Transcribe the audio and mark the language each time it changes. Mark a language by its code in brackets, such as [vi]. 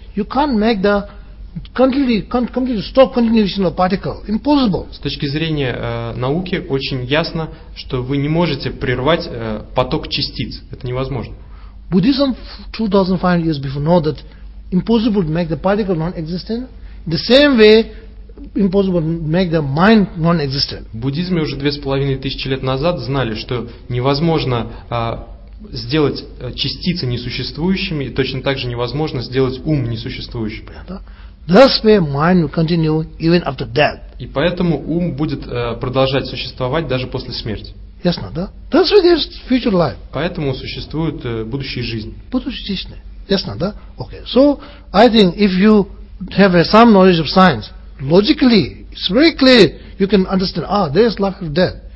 [en] You can't make the completely stop continuation of particle. Impossible. [ru] С точки зрения науки, очень ясно, что вы не можете прервать поток частиц. Это невозможно. [en] Buddhism 2500 years before know that impossible to make the particle non-existent. The same way impossible to make the mind non-existent. [ru] В буддизме уже 2500 лет назад знали, что невозможно сделать частицы несуществующими, и точно так же невозможно сделать ум несуществующим. [en] That's where mind will continue even after death. [ru] И поэтому ум будет продолжать существовать даже после смерти. Ясно, да? [en] That's where there's future life. [ru] Поэтому существует будущая жизнь. Будущая жизнь. Ясно, да? Okay. [en] So, I think if you have some knowledge of science, logically, it's very clear, you can understand, there's life after death.